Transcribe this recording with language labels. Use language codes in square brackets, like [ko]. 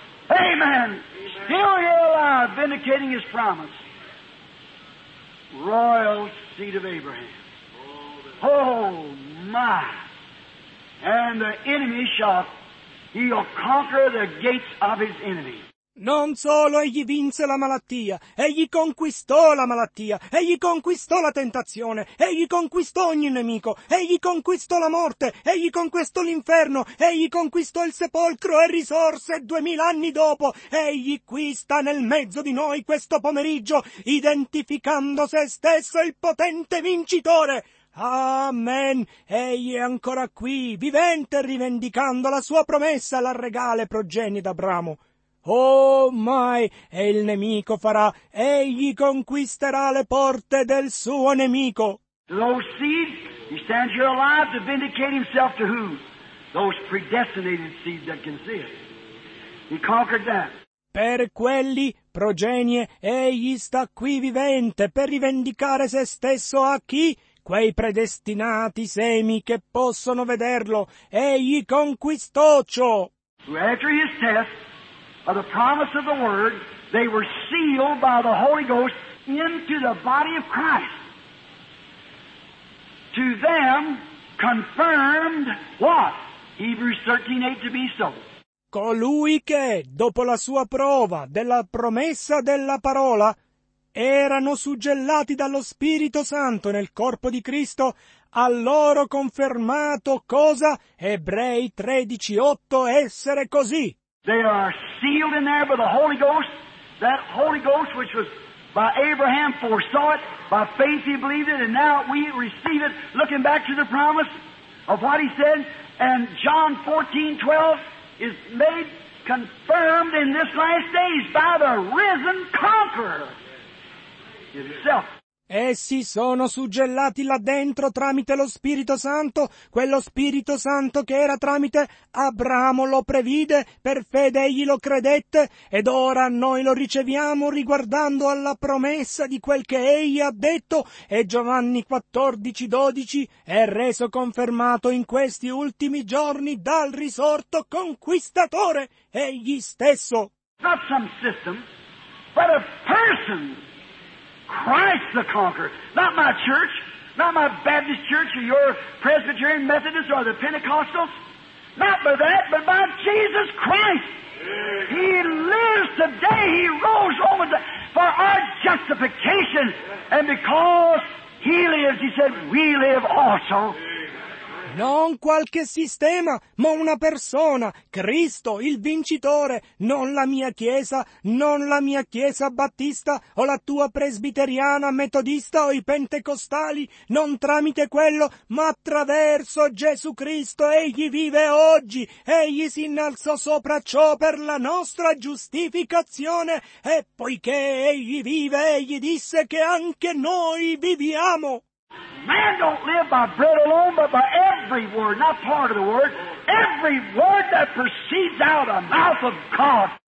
[en] Amen. Amen. Amen. Still here alive, vindicating his promise. Royal seed of Abraham. Oh, my. And the enemy shall... He'll conquer the gates of his enemy. [it] Non solo egli vinse la malattia, egli conquistò la malattia, egli conquistò la tentazione, egli conquistò ogni nemico, egli conquistò la morte, egli conquistò l'inferno, egli conquistò il sepolcro e risorse 2000 anni dopo. Egli qui sta nel mezzo di noi questo pomeriggio, identificando se stesso il potente vincitore. Amen. Egli è ancora qui, vivente, rivendicando la sua promessa alla regale progenie d'Abramo. Oh mai, e il nemico farà, egli conquisterà le porte del suo nemico. [en] Those seeds, he stands here alive to vindicate himself to who? Those predestinated seeds that can see it. He conquered that. [it] Per quelli, progenie, egli sta qui vivente per rivendicare se stesso a chi? Quei predestinati semi che possono vederlo, egli conquistò ciò. [en] After his death, by the promise of the word, they were sealed by the Holy Ghost into the body of Christ. To them confirmed what? Hebrews 13:8 to be so. [it] Colui che, dopo la sua prova della promessa della parola, erano suggellati dallo Spirito Santo nel corpo di Cristo, a loro confermato cosa? Ebrei 13:8 essere così. [en] They are sealed in there by the Holy Ghost, that Holy Ghost which was by Abraham foresaw it, by faith he believed it, and now we receive it, looking back to the promise of what he said, and John 14:12 is made confirmed in this last days by the risen conqueror. [it] Essi sono suggellati là dentro tramite lo Spirito Santo, quello Spirito Santo che era tramite Abramo, lo previde, per fede egli lo credette, ed ora noi lo riceviamo riguardando alla promessa di quel che egli ha detto, e Giovanni 14:12 è reso confermato in questi ultimi giorni dal risorto conquistatore, egli stesso. [en] Not some system, but a person. Christ the conqueror. Not my church, not my Baptist church or your Presbyterian Methodist or the Pentecostals. Not by that, but by Jesus Christ. He lives today. He rose over for our justification. And because He lives, He said, we live also. [it] Non qualche sistema, ma una persona, Cristo, il vincitore, non la mia chiesa, non la mia chiesa battista, o la tua presbiteriana, metodista, o i pentecostali, non tramite quello, ma attraverso Gesù Cristo, egli vive oggi, egli si innalzò sopra ciò per la nostra giustificazione, e poiché egli vive, egli disse che anche noi viviamo. [en] Man don't live by bread alone, but by every word, not part of the word, every word that proceeds out of the mouth of God.